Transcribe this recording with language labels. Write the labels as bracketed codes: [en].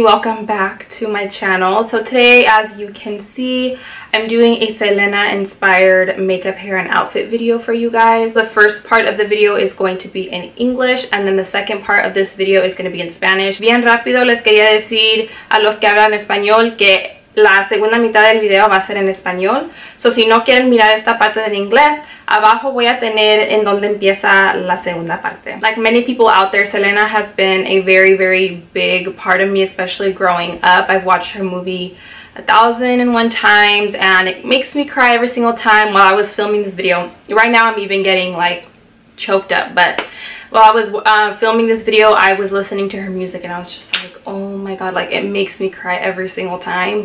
[en] Welcome back to my channel. So today, as you can see, I'm doing a Selena inspired makeup, hair, and outfit video for you guys. The first part of the video is going to be in English, and then the second part of this video is going to be in Spanish. [es] Bien rápido, les quería decir a los que hablan español que la segunda mitad del video va a ser en español. So si no quieren mirar esta parte en inglés, abajo voy a tener en donde empieza la segunda parte. [en] Like many people out there, Selena has been a very, very big part of me, especially growing up. I've watched her movie 1001 times, and it makes me cry every single time while I was filming this video. Right now I'm even getting like choked up, but while I was filming this video, I was listening to her music and I was just like, oh my god, like it makes me cry every single time.